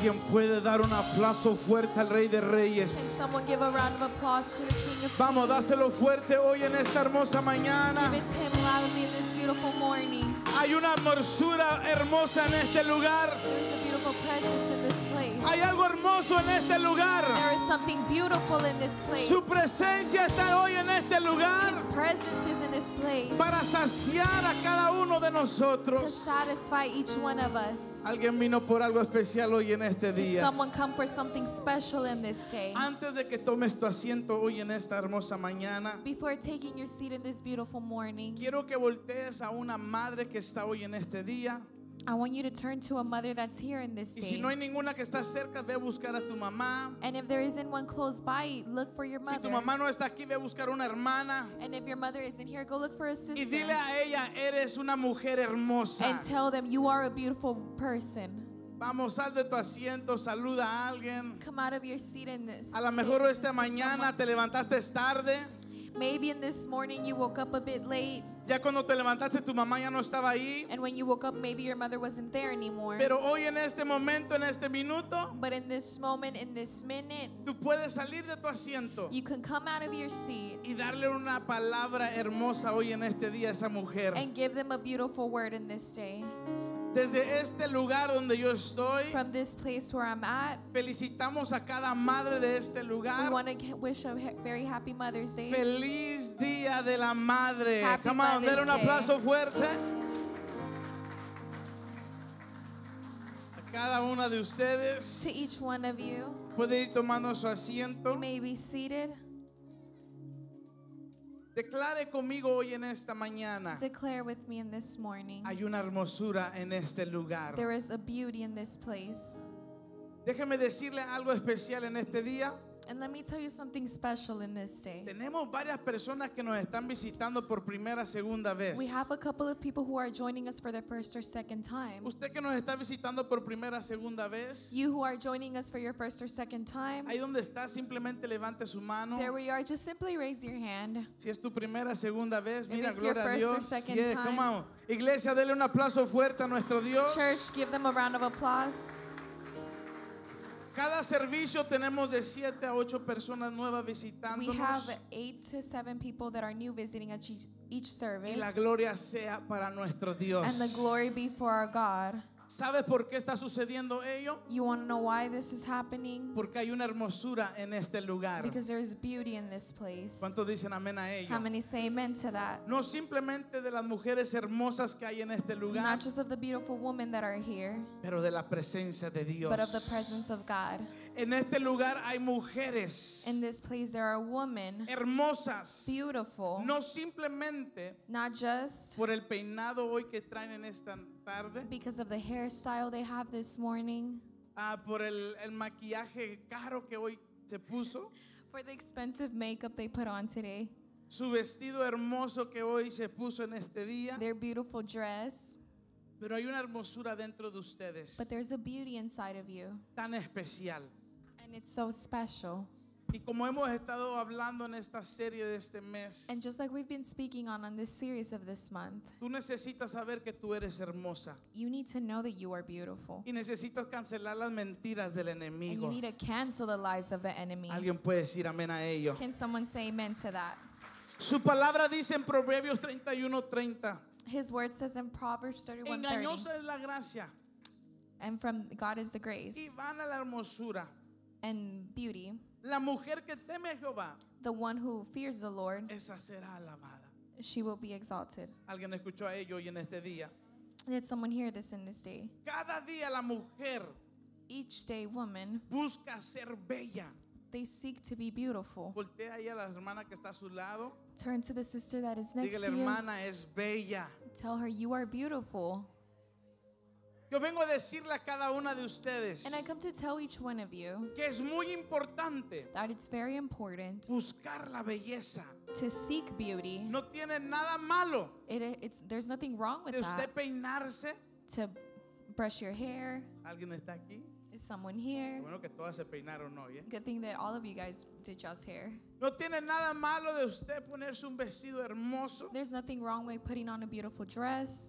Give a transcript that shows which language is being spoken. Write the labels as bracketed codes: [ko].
[es] Puede dar un aplauso fuerte al Rey de Reyes. [en] Can someone give a round of applause to the King of Kings? [es] Vamos, dáselo fuerte hoy en esta hermosa mañana. [en] Give it to him loudly in this beautiful morning. [es] Hay una hermosura hermosa en este lugar. [en] There is a beautiful presence in this place. [es] Hay algo hermoso en este lugar. [en] There is something beautiful in this place. [es] Su presencia está hoy en este lugar. [en] His presence is in this place. [es] Para saciar a cada uno de nosotros. [en] To satisfy each one of us. [es] Alguien vino por algo especial hoy en este día. [en] Someone come for something special in this day. [es] Antes de que tomes tu asiento hoy en esta hermosa mañana. [en] Before taking your seat in this beautiful morning. [es] Quiero que voltees a una madre que está hoy en este día. [en] I want you to turn to a mother that's here in this day. [es] Y si no hay ninguna que está cerca, ve a buscar a tu mamá. [en] And if there isn't one close by, look for your mother. [es] Si tu mamá no está aquí, ve a buscar una hermana. [en] And if your mother isn't here, go look for a sister. [es] Y dile a ella, eres una mujer hermosa. [en] And tell them you are a beautiful person. [es] Vamos, haz de tu asiento, saluda a alguien. [en] Come out of your seat in this. [es] A lo mejor esta mañana te levantaste tarde. [en] Maybe in this morning you woke up a bit late. [es] Ya cuando te levantaste, tu mamá ya no estaba ahí. [en] And when you woke up, maybe your mother wasn't there anymore. [es] Pero hoy en este momento, en este minuto, [en] but in this moment, in this minute, [es] tú puedes salir de tu asiento. [en] You can come out of your seat. [es] Y darle una palabra hermosa hoy en este día a esa mujer. [en] And give them a beautiful word in this day. [es] Desde este lugar donde yo estoy, [en] from this place where I'm at, [es] felicitamos a cada madre de este lugar. [en] We want to wish a very happy Mother's Day. [es] Feliz Día de la Madre. [en] Happy Come Mother's [es] on, denle un aplauso fuerte. A cada una de ustedes. [en] To each one of you. [es] Puede ir tomando su asiento. [en] You may be seated. [es] Declare conmigo hoy en esta mañana. [en] Declare with me in this morning. [es] Hay una hermosura en este lugar. [en] There is a beauty in this place. [es] Déjeme decirle algo especial en este día. [en] And let me tell you something special in this day. [es] Tenemos varias personas que nos están visitando por primera, segunda vez. [en] We have a couple of people who are joining us for the first or second time. [es] Usted que nos está visitando por primera, segunda vez. [en] You who are joining us for your first or second time. [es] Ahí donde está, simplemente levante su mano. [en] There where you are, just simply raise your hand. [es] Si es tu primera, segunda vez, [en] if [es] mira, gloria a Dios. [en] If it's your first or second time. Come on. [es] Iglesia, dele un aplauso fuerte a nuestro Dios. [en] Church, give them a round of applause. [es] Cada servicio tenemos de 7 a 8 personas nuevas visitándonos. [en] We have 8 to 7 people that are new visiting at each service. [es] Y la gloria sea para nuestro Dios. [en] And the glory be for our God. [es] ¿Sabes por qué está sucediendo ello? [en] You want to know why this is happening? [es] Porque hay una hermosura en este lugar. [en] Because there is beauty in this place. [es] ¿Cuántos dicen amén a ello? [en] How many say amen to that? [es] No simplemente de las mujeres hermosas que hay en este lugar. [en] Not just of the beautiful women that are here. [es] Pero de la presencia de Dios. [en] But of the presence of God. [es] En este lugar hay mujeres. [en] In this place there are women. [es] Hermosas. [en] Beautiful. [es] No simplemente. [en] Not just. [es] Por el peinado hoy que traen en esta tarde. [en] Because of the hair. Hairstyle they have this morning. [es] Por el maquillaje caro que hoy se puso. [en] For the expensive makeup they put on today. [es] Su vestido hermoso que hoy se puso en este día. [en] Their beautiful dress. [es] Pero hay una hermosura dentro de ustedes. [en] But there's a beauty inside of you. [es] Tan especial. [en] And it's so special. [es] Y como hemos estado hablando en esta serie de este mes. [en] And just like we've been speaking on this series of this month. [es] Tú necesitas saber que tú eres hermosa. [en] You need to know that you are beautiful. [es] Y necesitas cancelar las mentiras del enemigo. [en] And you need to cancel the lies of the enemy. [es] ¿Alguien puede decir amén a ello? [en] Can someone say amen to that? [es] Su palabra dice en Proverbios 31:30. [en] His word says in Proverbs 31:30. [es] Engañosa es la gracia. [en] And from God is the grace. [es] Y vana la hermosura. [en] And beauty. [es] La mujer que teme a Jehová, [en] the one who fears the Lord, [es] esa será alabada. [en] She will be exalted. [es] ¿Alguien escuchó a ello hoy en este día? [en] Did someone hear this in this day? [es] Cada día la mujer, [en] each day woman, [es] busca ser bella. [en] They seek to be beautiful. [es] Voltea ahí a la hermana que está a su lado. [en] Turn to the sister that is next [es] dígale, [en] to you. [es] Dígale, hermana es bella. [en] Tell her you are beautiful. [es] Yo vengo a decirle a cada una de ustedes. [en] And I come to tell each one of you. [es] Que es muy importante. [en] That it's very important. [es] Buscar la belleza. [en] To seek beauty. [es] No tiene nada malo. [en] There's nothing wrong with [es] that. De usted Peinarse. [en] To brush your hair. [es] ¿Alguien está aquí? [en] Is someone here? [es] Bueno, que todas se peinaron hoy, ¿eh? [en] Good thing that all of you guys did y'all's hair. [es] No tiene nada malo de usted ponerse un vestido hermoso. [en] There's nothing wrong with putting on a beautiful dress.